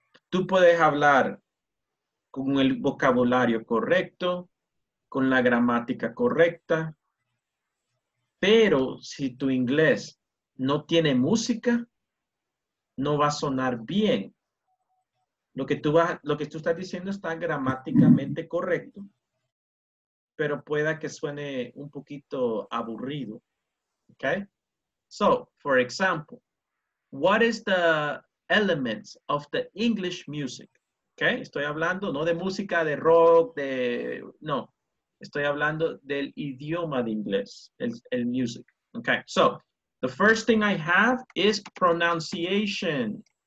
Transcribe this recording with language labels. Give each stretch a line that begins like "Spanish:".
Spanish: Tú puedes hablar con el vocabulario correcto, con la gramática correcta, pero si tu inglés no tiene música, no va a sonar bien. Lo que tú estás diciendo está gramáticamente correcto, pero pueda que suene un poquito aburrido.
English: Okay? So, for example, what is the elements of the English music?
Spanish: Okay, estoy hablando no de música, de rock, de... No, estoy hablando del idioma de inglés, el music.
English: Okay, so, the first thing I have is pronunciation.